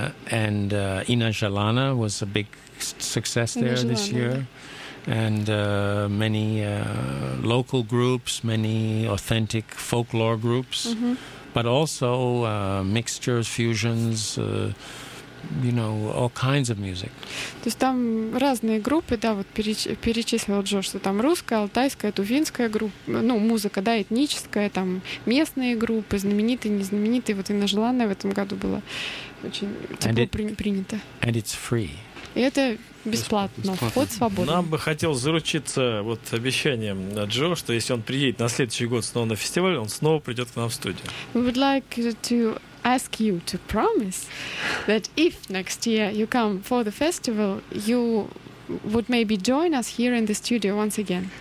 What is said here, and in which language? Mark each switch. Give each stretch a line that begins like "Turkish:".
English: And Ina Jalana was a big success there this year. And many local groups, many authentic folklore groups, but also mixtures, fusions, you know, all kinds of music.
Russian: То есть там разные группы, да, вот перечислил Джо, что там русская, алтайская, тувинская группа, ну, музыка, да, этническая, там местные группы, знаменитые, незнаменитые. Вот Инна Желанная в этом году была очень принята.
English: And it's free.
Russian: И это бесплатно, вход свободен. Нам бы хотелось заручиться вот обещанием Джо, что если он приедет на следующий год снова на фестиваль, он снова придет к нам в студию.
English: We would like to ask you to promise that if next year you come for the festival, you would maybe join us here in the studio once again.